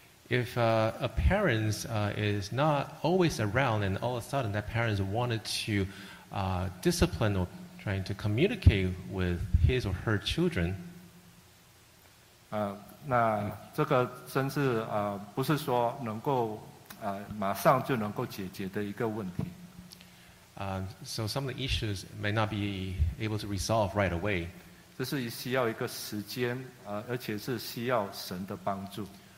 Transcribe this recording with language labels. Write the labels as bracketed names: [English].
[English] If a parent is not always around and all of a sudden that parent wanted to discipline or trying to communicate with his or her children. [Chinese] 那这个真是不是说能够马上就能够解决的一个问题。 [English] So some of the issues may not be able to resolve right away. [Chinese] 这是需要一个时间，而且是需要神的帮助。